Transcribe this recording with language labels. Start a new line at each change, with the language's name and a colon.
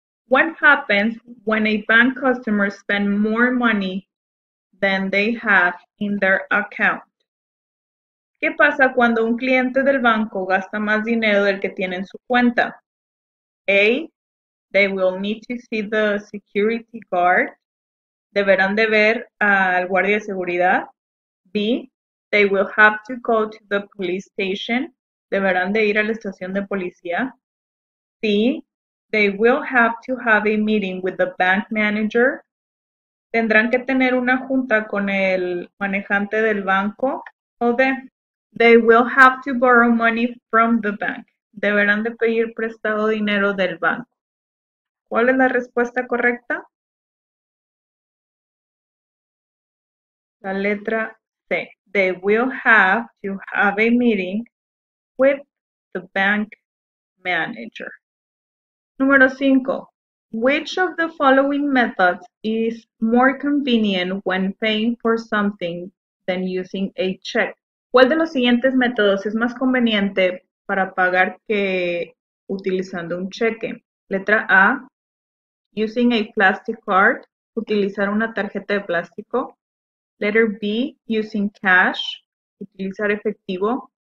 English: What happens when a bank customer spend more money than they have in their account?
Spanish: ¿Qué pasa cuando un cliente del banco gasta más dinero del que tiene en su cuenta?
English: A, they will need to see the security guard.
Spanish: deberán de ver al guardia de seguridad.
English: B, they will have to go to the police station.
Spanish: Deberán de ir a la estación de policía.
English: C, they will have to have a meeting with the bank manager.
Spanish: Tendrán que tener una junta con el manejante del banco.
English: O D, they will have to borrow money from the bank.
Spanish: Deberán de pedir prestado dinero del banco. ¿Cuál es la respuesta correcta? La letra C.
English: They will have to have a meeting with the bank manager.
Spanish: Número 5.
English: Which of the following methods is more convenient when paying for something than using a check?
Spanish: ¿Cuál de los siguientes métodos es más conveniente para pagar que utilizando un cheque? Letra A,
English: using a plastic card,
Spanish: utilizar una tarjeta de plástico.
English: Letter B, using cash,
Spanish: utilizar efectivo.